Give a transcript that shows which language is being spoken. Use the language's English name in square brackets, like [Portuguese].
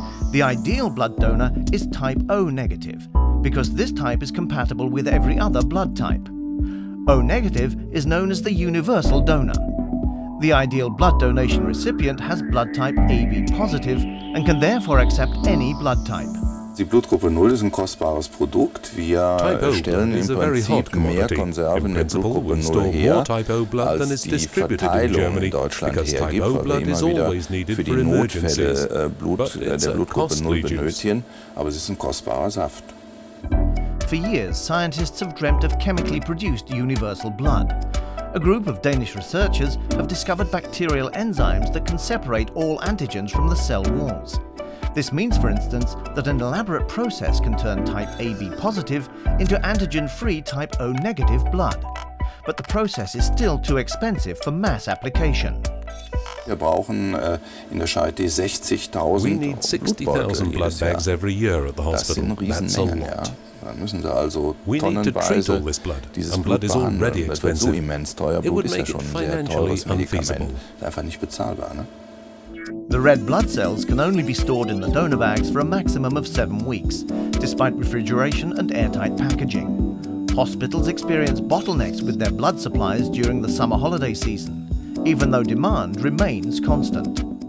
[English] The ideal blood donor is type O negative, because this type is compatible with every other blood type. O negative is known as the universal donor. The ideal blood donation recipient has blood type AB positive and can therefore accept any blood type. [German] Die Blutgruppe 0 ist ein kostbares Produkt. Wir stellen im Prinzip mehr Konserven der Blutgruppe 0 her, als die Verteilung in Deutschland hergibt, weil wir immer wieder für die Notfälle der Blutgruppe 0 benötigen. Aber es ist ein kostbarer Saft. [English] For years, scientists have dreamt of chemically produced universal blood. A group of Danish researchers have discovered bacterial enzymes that can separate all antigens from the cell walls. This means, for instance, that an elaborate process can turn type AB positive into antigen-free type O negative blood. But the process is still too expensive for mass application. [German] Wir brauchen in der Charité 60.000 [English] blood bags every year at the hospital. That's a lot. [German] Dann müssen sie also tonnenweise dieses Blut behandeln. Das wird so immens teuer. Blut ist ja schon ein sehr teures Medikament. Das ist einfach nicht bezahlbar, ne? [English] The red blood cells can only be stored in the donor bags for a maximum of 7 weeks, despite refrigeration and airtight packaging. Hospitals experience bottlenecks with their blood supplies during the summer holiday season, even though demand remains constant.